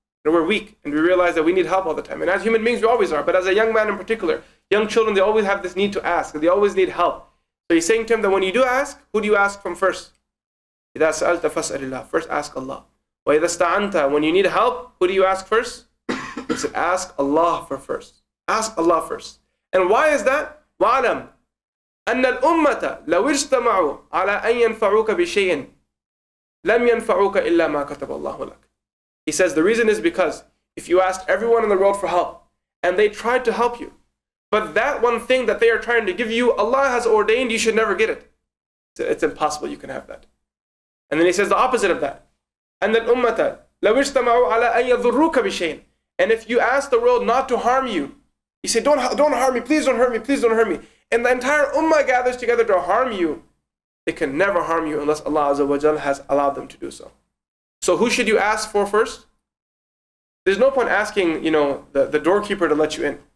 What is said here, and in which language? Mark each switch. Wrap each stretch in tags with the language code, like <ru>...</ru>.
<en>And we're weak, and we realize that we need help all the time. And as human beings, we always are. But as a young man in particular, young children, they always have this need to ask, they always need help. So he's saying to him that when you do ask, who do you ask from first?</en> <ar>إذا سألت فاسأل الله.</ar> <en>First ask Allah.</en> <ar>وإذا استعنت,</ar> <en>when you need help, who do you ask first? He said, ask Allah for first. Ask Allah first. And why is that?</en> <ar>وعلم أن الأمة لو اجتمعوا على أن ينفعوك بشيء لم ينفعوك إلا ما كتب الله لك.</ar> <en>He says the reason is because if you ask everyone in the world for help and they tried to help you, but that one thing that they are trying to give you, Allah has ordained you should never get it. It's impossible you can have that. And then he says the opposite of that.</en> <ar>أن الأمة لو اجتمعوا على أن يضروك بشيء.</ar> <en>And if you ask the world not to harm you, you say, don't harm me, please don't hurt me, please don't hurt me. And the entire ummah gathers together to harm you, they can never harm you unless Allah Azza wa Jalla has allowed them to do so. So who should you ask for first? There's no point asking, you know, the doorkeeper to let you in.</en>